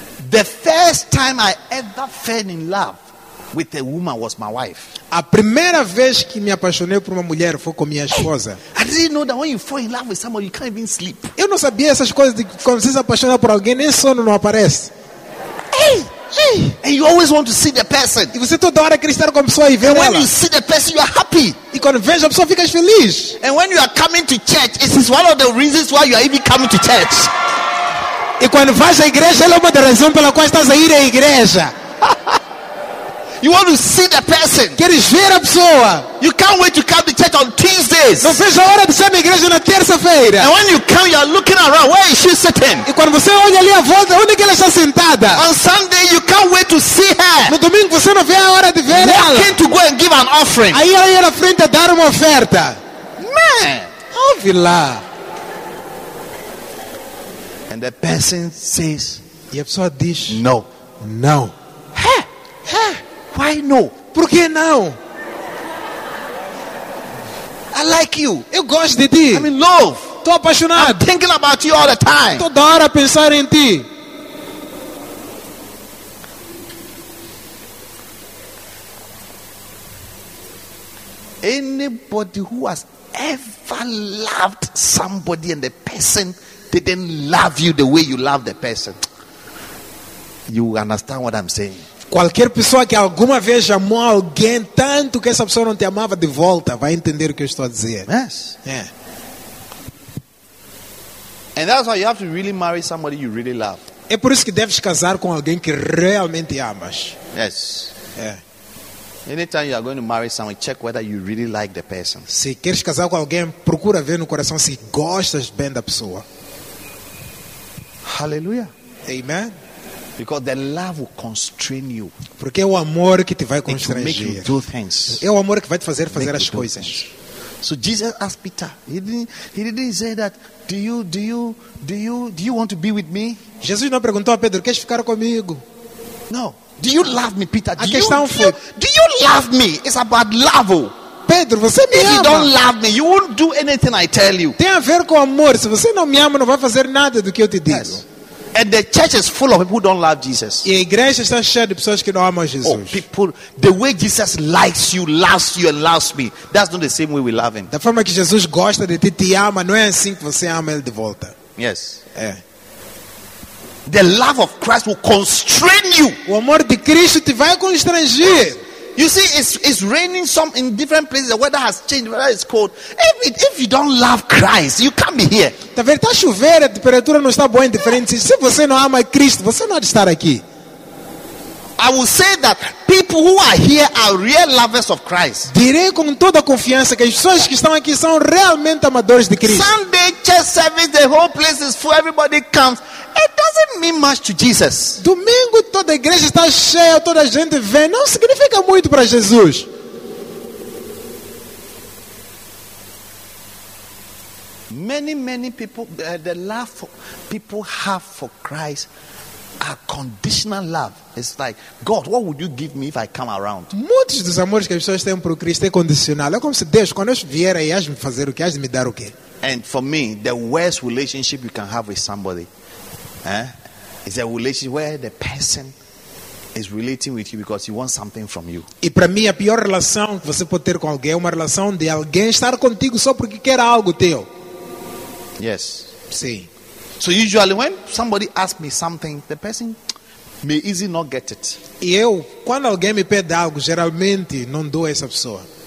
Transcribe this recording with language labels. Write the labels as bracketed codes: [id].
[en] The first time I ever fell in love with a woman was my wife. [pt] A primeira vez que me apaixonei por uma mulher foi com minha esposa. [en] I didn't know that when you fall in love with someone, you can't even sleep. [pt] Eu não sabia essas coisas de quando você se apaixona por alguém, nem sono não aparece. [en] And you always want to see the person. [pt] E você toda hora quer estar com a pessoa e ver ela. [en] When you see the person, you are happy. [pt] E quando vês a pessoa, ficas feliz. [en] And when you are coming to church, it is one of the reasons why you are even coming to church. [pt] E quando vais à igreja, ela é uma das razões pela qual estás a ir à igreja. [en] You want to see the person. [pt] Queres ver a pessoa. [en] You can't wait to come to church on Tuesdays. [pt] Não vejo a hora de ser na igreja na terça-feira. [en] And when you come, you are looking around. Where is she sitting? [pt] E quando você olha ali à volta, onde é que ela está sentada? [en] On Sunday, you can't wait to see her. [pt] No domingo, você não vê a hora de ver [en] walking [pt] ela. [en] Walking to go and give an offering. [pt] Aí ela ia na frente a dar uma oferta. [en] Man. [pt] Ouve lá. [en] And the person says, [pt] e a pessoa diz, [en] no. [pt] No. [en] Why no? [pt] Por que não? [en] I like you. [pt] Eu gosto de ti. [en] I'm in love. [pt] Tô apaixonado. [en] I'm thinking about you all the time. [pt] Toda hora a pensar em ti. [en] Anybody who has ever loved somebody and the person didn't love you the way you love the person, you understand what I'm saying? [pt] Qualquer pessoa que alguma vez amou alguém tanto que essa pessoa não te amava de volta vai entender o que eu estou a dizer. [en] Yes. Yeah. And that's why you have to really marry somebody you really love. [pt] É por isso que deves casar com alguém que realmente amas. [en] Yes. Yeah. Anytime you are going to marry someone, check whether you really like the person. [pt] Se queres casar com alguém, procura ver no coração se gostas bem da pessoa. [en] Hallelujah. Amen. Because the love will constrain you. [pt] Porque é o amor que te vai constranger. [en] It will make you do [pt] é o amor que vai te fazer fazer as coisas. [en] So Jesus asked Peter. He didn't say that. Do you want to be with me? [pt] Jesus não perguntou a Pedro, queres ficar comigo? [en] No. Do you love me, Peter? [pt] A questão foi, [en] do you love me? It's about love. [pt] Pedro, você me [en] if [pt] ama. [en] You don't love me, you won't do anything I tell you. [pt] Tem a ver com amor. Se você não me ama, não vai fazer nada do que eu te digo. [en] Yes. And the church is full of people who don't love Jesus. [pt] E a igreja está cheia de pessoas que não amam Jesus. [en] Oh, people, the way Jesus likes you, loves you, and loves me, that's not the same way we love him. [pt] Da forma que Jesus gosta de ti, te ama, não é assim que você ama ele de volta. [en] Yes. [pt] É. [en] The love of Christ will constrain you. [pt] O amor de Cristo te vai constranger. [en] You see, it's raining some in different places. The weather has changed. The weather is cold. If you don't love Christ, you can't be here. [pt] Tá vendo? Tá chovendo. A temperatura não está boa em diferentes. Se você não ama Cristo, você não pode estar aqui. [en] I will say that people who are here are real lovers of Christ. [pt] Direi com toda confiança que as pessoas que estão aqui são realmente amadores de Cristo. [en] Sunday church service, the whole place is full. Everybody comes. It doesn't mean much to Jesus. [pt] Domingo domingo toda a igreja está cheia, toda a gente vem, não significa muito para Jesus. [en] Many people, the love people have for Christ are conditional love. It's like, God, what would you give me if I come around? [pt] Muitos dos amores que as pessoas têm para o Cristo é condicional. É como se Deus, quando eu vier, aí has de me fazer o quê? Has de me dar o quê? [en] And for me, the worst relationship you can have with somebody, eh, is a relationship where the person is relating with you because he wants something from you. [pt] E para mim a pior relação que você pode ter com alguém é uma relação de alguém estar contigo só porque quer algo teu. [en] Yes. [pt] Sim. [en] So usually when somebody asks me something, the person may easily not get it. [pt] E eu, quando alguém me pede algo, geralmente não dou a essa pessoa.